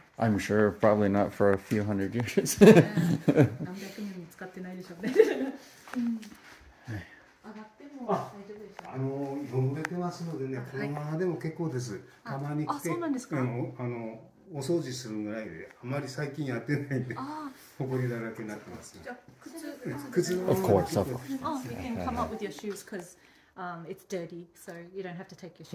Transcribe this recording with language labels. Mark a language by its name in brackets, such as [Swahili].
[English] I'm sure, probably not for a few hundred years. [Japanese] Yeah, 何百年も使ってないでしょうね。上がっても大丈夫でしょ。あの呼んでてますのでね、このままでも結構です。たまに来て、あのお掃除するぐらいで、あまり最近やってないんで、埃だらけになってます。靴。 [English] Of course, of course. Oh, you can come up with your shoes because. It's dirty, so you don't have to take your shoes.